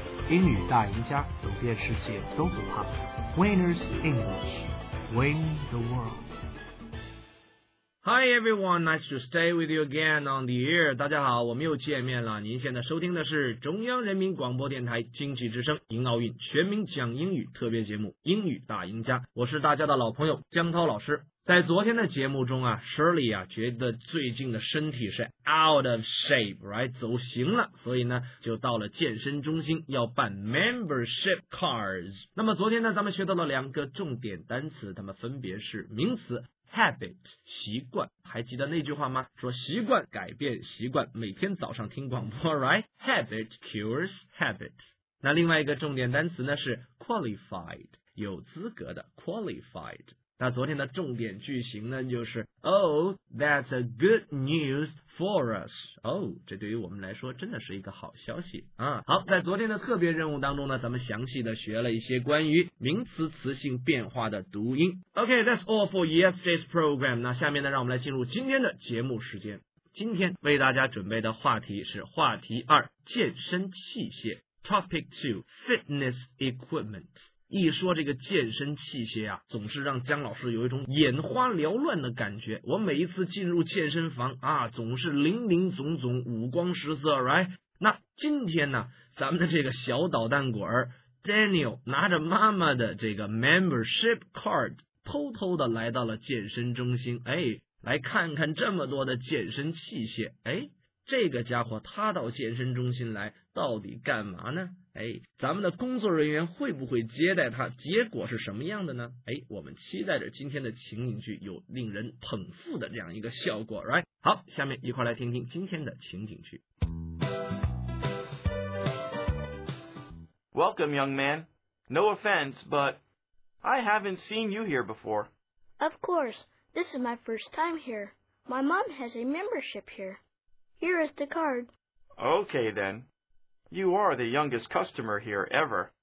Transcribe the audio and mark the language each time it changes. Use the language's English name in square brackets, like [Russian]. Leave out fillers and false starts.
[Chinese] 英语大赢家，走遍世界都不怕。 [English] Winners English Win the World。 Hi everyone, nice to stay with you again on the air. [Chinese] 大家好，我们又见面了。您现在收听的是中央人民广播电台经济之声迎奥运全民讲英语特别节目英语大赢家，我是大家的老朋友江涛老师。在昨天的节目中啊， Shirley 啊觉得最近的身体是 [English] out of shape, [Chinese] right, 走形了，所以呢就到了健身中心要办 membership cards。那么昨天呢咱们学到了两个重点单词，它们分别是名词 habit, 习惯，还记得那句话吗？说习惯改变习惯，每天早上听广播， right, [English] habit cures habit。 [Chinese] 那另外一个重点单词呢是 qualified, 有资格的 qualified。那昨天的重点句型呢就是 [English] Oh, that's a good news for us. [Chinese] Oh, 这对于我们来说真的是一个好消息啊。好，在昨天的特别任务当中呢，咱们详细的学了一些关于名词词性变化的读音。 [English] OK, that's all for yesterday's program. [Chinese] 那下面呢让我们来进入今天的节目时间。今天为大家准备的话题是话题二，健身器械。 [English] Topic 2, fitness equipment。 [Chinese] 一说这个健身器械啊，总是让江老师有一种眼花缭乱的感觉。我每一次进入健身房啊，总是林林总总，五光十色， right? 那今天呢，咱们的这个小捣蛋鬼 Daniel 拿着妈妈的这个 membership card 偷偷的来到了健身中心，哎，来看看这么多的健身器械。哎，这个家伙他到健身中心来到底干嘛呢？哎，咱们的工作人员会不会接待他？结果是什么样的呢？哎，我们期待着今天的情景剧有令人捧腹的这样一个效果， right? 好，下面一块来听听今天的情景剧。 [English] Welcome, young man. No offense, but I haven't seen you here before. Of course, this is my first time here. My mom has a membership here. Here is the card. Okay, then. You are the youngest customer here ever.